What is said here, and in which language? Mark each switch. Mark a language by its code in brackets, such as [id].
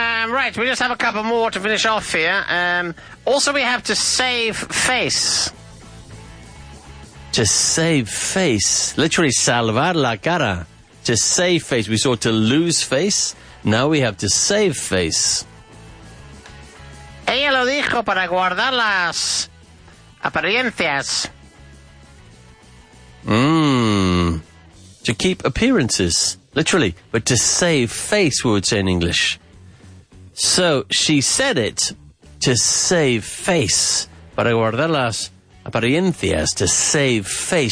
[en] Right, we just have a couple more to finish off here. Also, we have to save face. To save face? Literally, [es] salvar la cara. [en] to save face. We saw to lose face. Now we have to save face. [es] Ella lo dijo para guardar las apariencias. [en] To keep appearances, literally, but to save face, we would say in English. So she said it to save face, [es] para guardar las apariencias, [en] to save face.